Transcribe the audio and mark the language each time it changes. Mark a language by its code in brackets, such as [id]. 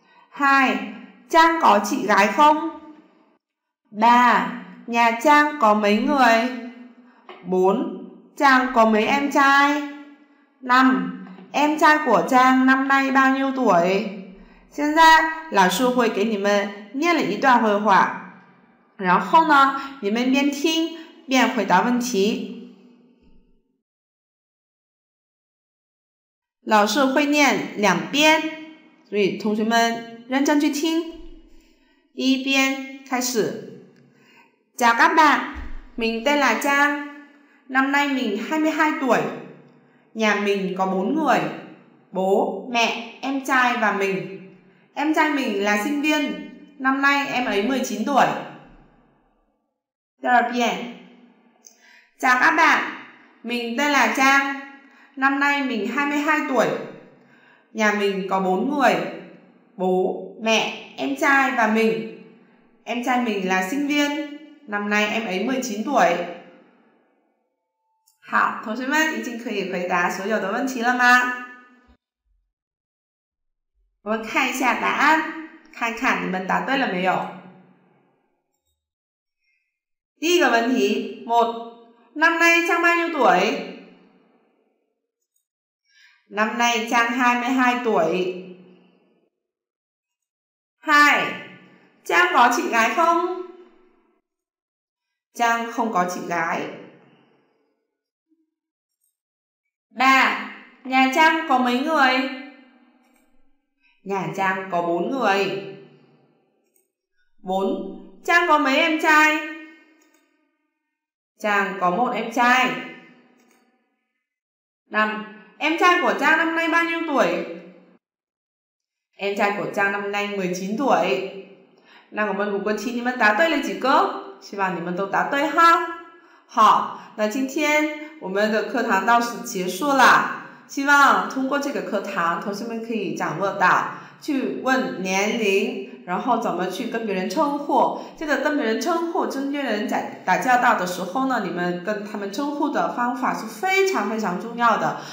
[vi] 2. Trang có chị gái không? 3. Nhà Trang có mấy người? 4. Trang có mấy em trai? 5. Em trai của Trang năm nay bao nhiêu tuổi? [zh] 现在老师会给你们念了一段绘画，然后呢，你们边听边回答问题。老师会念两遍，所以同学们认真去听。第一遍开始。 [vi] Chào các bạn, mình tên là Trang. Năm nay mình 22 tuổi. Nhà mình có 4 người. Bố, mẹ, em trai và mình. Em trai mình là sinh viên. Năm nay em ấy 19 tuổi. Thứ hai. Chào các bạn, mình tên là Trang. Năm nay mình 22 tuổi. Nhà mình có 4 người. Bố, mẹ, em trai và mình. Em trai mình là sinh viên. Năm nay em ấy 19 tuổi. [zh] Hảo, 同学们已经可以回答所有的问题了吗？我们看一下答案，看看你们答对了没有。第一个问题， [vi] một, năm nay Trang bao nhiêu tuổi? Năm nay Trang 22 tuổi. Hai, Trang có chị gái không? Trang không có chị gái. Ba, nhà Trang có mấy người? Nhà Trang có 4 người. Bốn, Trang có mấy em trai? Trang có 1 em trai. Năm, em trai của Trang năm nay bao nhiêu tuổi? Em trai của Trang năm nay 19 tuổi. Nào, của mình 5 câu thì mình đã đối được [zh] 几个? 希望你们都答对哈。好，那今天我们的课堂到此结束了。希望通过这个课堂，同学们可以掌握到去问年龄，然后怎么去跟别人称呼。这个跟别人称呼，跟别人在打交道的时候呢，你们跟他们称呼的方法是非常非常重要的。